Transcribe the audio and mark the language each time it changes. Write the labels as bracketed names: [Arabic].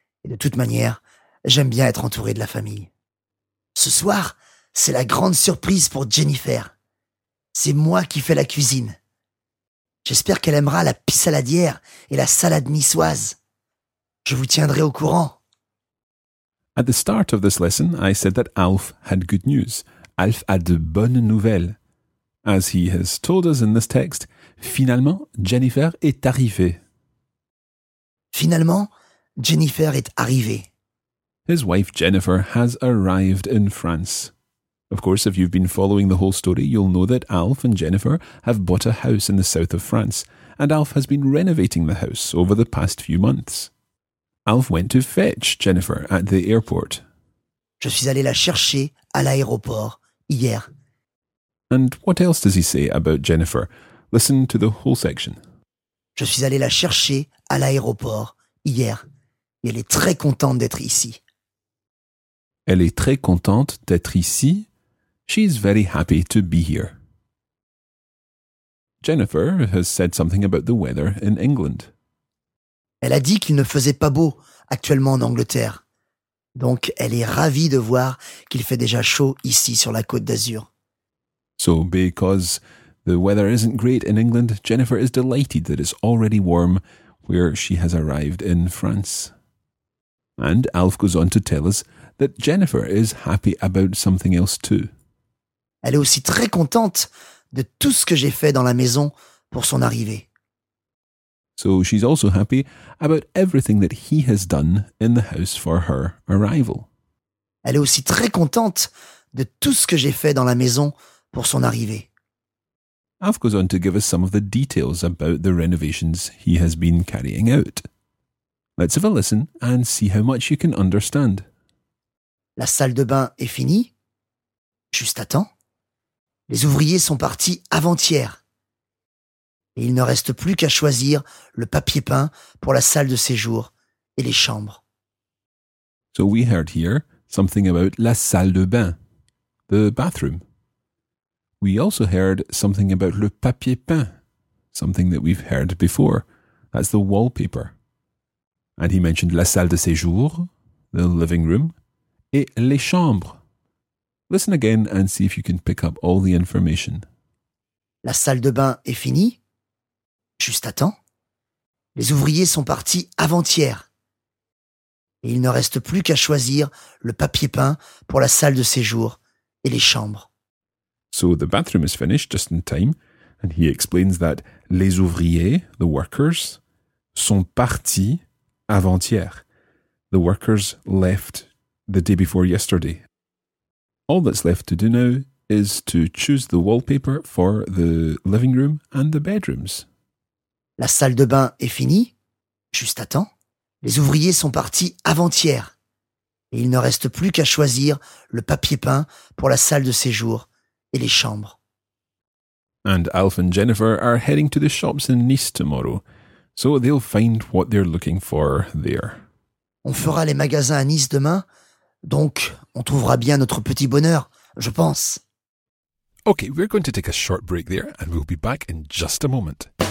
[French] Et de toute manière, j'aime bien être entouré de la famille. Ce soir, c'est la grande surprise pour Jennifer. C'est moi qui fais la cuisine. J'espère qu'elle aimera la pissaladière et la salade niçoise. Je vous tiendrai au courant. [English] At the start of this lesson, I said that Alf had good news. [French] Alf a de bonnes nouvelles. [English] As he has told us in this text, [French] finalement, Jennifer est arrivée. Finalement, Jennifer est arrivée. [English] His wife Jennifer has arrived in France. Of course, if you've been following the whole story, you'll know that Alf and Jennifer have bought a house in the south of France, and Alf has been renovating the house over the past few months. Alf went to fetch Jennifer at the airport. [French] Je suis allé la chercher à l'aéroport hier. [English] And what else does he say about Jennifer? Listen to the whole section. [French] Je suis allé la chercher à l'aéroport hier. Et elle est très contente d'être ici. Elle est très contente d'être ici. [English] She is very happy to be here. Jennifer has said something about the weather in England. [French] Elle a dit qu'il ne faisait pas beau actuellement en Angleterre. Donc, elle est ravie de voir qu'il fait déjà chaud ici sur la Côte d'Azur. [English] So, because the weather isn't great in England, Jennifer is delighted that it's already warm where she has arrived in France. And Alf goes on to tell us that Jennifer is happy about something else too. [French] Elle est aussi très contente de tout ce que j'ai fait dans la maison pour son arrivée. [English] So she's also happy about everything that he has done in the house for her arrival. [French] Elle est aussi très contente de tout ce que j'ai fait dans la maison pour son arrivée. [English] Alf goes on to give us some of the details about the renovations he has been carrying out. Let's have a listen and see how much you can understand. [French] La salle de bain est finie. Juste à temps. Les ouvriers sont partis avant-hier. Et il ne reste plus qu'à choisir le papier peint pour la salle de séjour et les chambres. [English] So we heard here something about la salle de bain, the bathroom. We also heard something about le papier peint, something that we've heard before. That's the wallpaper. And he mentioned la salle de séjour, the living room, [French] et les chambres. [English] Listen again and see if you can pick up all the information. [French] La salle de bain est finie. Juste à temps. Les ouvriers sont partis avant-hier. Et il ne reste plus qu'à choisir le papier peint pour la salle de séjour et les chambres. [English] So the bathroom is finished just in time, and he explains that les ouvriers, the workers, [French] sont partis avant-hier. [English] The workers left the day before yesterday. All that's left to do now is to choose the wallpaper for the living room and the bedrooms. [French] La salle de bain est finie, juste à temps. Les ouvriers sont partis avant-hier. Et il ne reste plus qu'à choisir le papier peint pour la salle de séjour et les chambres. [English] And Alf and Jennifer are heading to the shops in Nice tomorrow, so they'll find what they're looking for there. [French] On fera les magasins à Nice demain, donc on trouvera bien notre petit bonheur, je pense. [English] Okay, we're going to take a short break there and we'll be back in just a moment.